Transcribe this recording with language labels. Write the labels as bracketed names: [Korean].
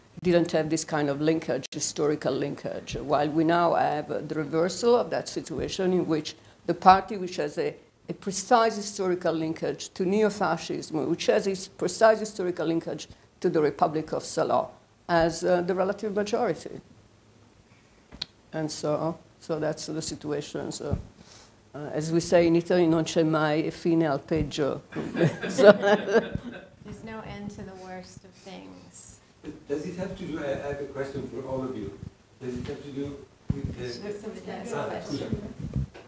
[English] didn't have this kind of linkage, historical linkage, while we now have the reversal of that situation in which the party which has a precise historical linkage to neo-fascism, which has its precise historical linkage to the Republic of Salò, has the relative majority. And so that's the situation. So, as we say in Italy, [Italian] non c'è mai fine al peggio. [English] So, there's no end to the worst of things. Does it have to do, I have a question for all of you, does it have to do with the...